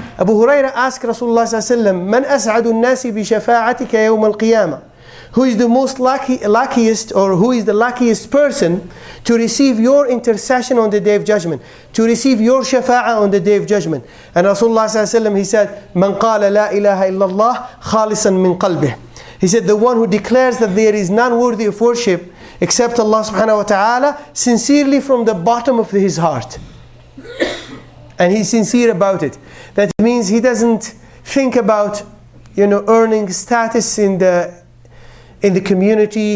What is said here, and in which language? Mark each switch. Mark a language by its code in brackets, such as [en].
[en] Abu Huraira asked Rasulullah sallallahu alayhi wa sallam, [ar] مَنْ أَسْعَدُ النَّاسِ بِشَفَاعَتِكَ يَوْمَ الْقِيَامَةِ. [en] Who is the most luckiest, or who is the luckiest person to receive your intercession on the Day of Judgment, to receive your shafa'ah on the Day of Judgment? And Rasulullah sallallahu alayhi wa sallam, he said, [ar] مَنْ قَالَ لَا إِلَهَ إِلَّا اللَّهِ خَالِصًا مِّنْ قَلْبِهِ. [en] He said, the one who declares that there is none worthy of worship except Allah subhanahu wa ta'ala, sincerely from the bottom of his heart. And he's sincere about it. That means he doesn't think about, you know, earning status in the community.